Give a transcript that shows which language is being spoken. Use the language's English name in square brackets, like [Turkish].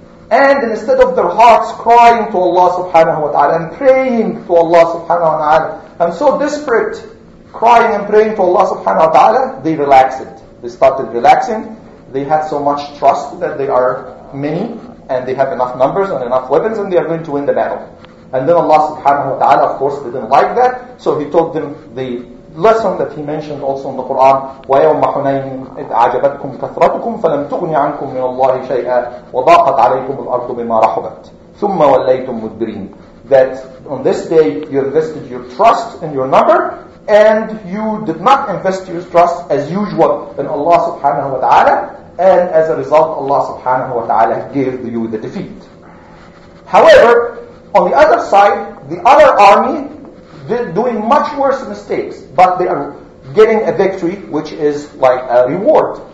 [English] And instead of their hearts crying to Allah subhanahu wa ta'ala and praying to Allah subhanahu wa ta'ala, and so desperate, crying and praying to Allah subhanahu wa ta'ala, they relaxed it. They started relaxing. They had so much trust that they are many and they have enough numbers and enough weapons and they are going to win the battle. And then Allah subhanahu wa ta'ala, of course, didn't like that. So He told them the lesson that He mentioned also in the Quran, [Arabic] وَيَوْمَ حُنَيْنٍ إِذْ أَعْجَبَتْكُمْ كَثْرَتُكُمْ فَلَمْ تُغْنِ عَنْكُمْ مِنَ اللَّهِ شَيْئًا وَضَاقَتْ عَلَيْكُمُ الْأَرْضُ بِمَا رَحُبَتْ ثُمَّ وَلَّيْتُمْ مُدْبِرِينَ. [English] That on this day you invested your trust in your number and you did not invest your trust as usual in Allah subhanahu wa ta'ala, and as a result Allah subhanahu wa ta'ala gave you the defeat. However, on the other side, the other army, they're doing much worse mistakes, but they are getting a victory, which is like a reward.